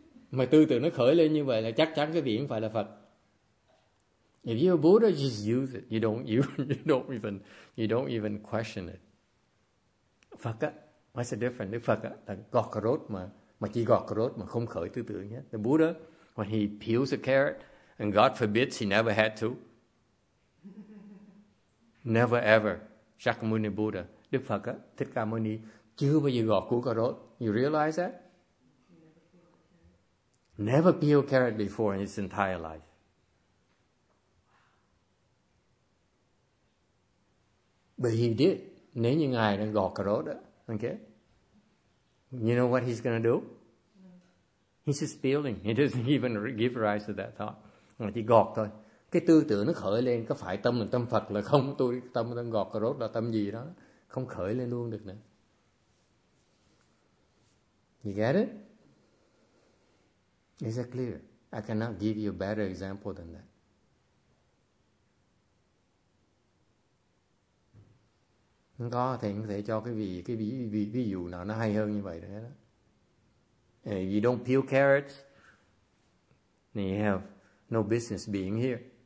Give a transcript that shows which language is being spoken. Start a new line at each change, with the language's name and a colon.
Vietnamese: Mà tư tưởng nó khởi lên như vậy là chắc chắn cái vị không phải là Phật.
English: If you're a Buddha, just use it. You don't even question it.
Vietnamese: Phật á,
English: what's the difference?
Vietnamese: Đức Phật á, là gọt cà rốt mà chỉ gọt cà rốt mà không khởi tư tưởng nhé.
English: The Buddha, when he peels a carrot, and God forbids he never had to. Never ever. Shakyamuni Buddha.
Vietnamese: Đức Phật á, Thích Ca Mâu Ni, chưa bao giờ gọt củ cà rốt.
English: You realize that? Never peeled carrot before in his entire life. But he did.
Vietnamese: Nếu như ngài đang gọt cà rốt đó,
English: okay? You know what he's gonna do? He's just feeling. He doesn't even give rise to that thought.
Vietnamese: Mà chỉ gọt thôi. Cái tư tưởng nó khởi lên, có phải tâm là tâm Phật là không? Tôi tâm đang gọt cà rốt là tâm gì đó, không khởi lên luôn được nữa.
English: You get it? Is it clear? I cannot give you a better example than that.
Vietnamese: Không có, thầy cũng có thể cho cái ví dụ nào nó hay hơn như vậy đấy đó.
English: If you don't peel carrots, then you have no business being here.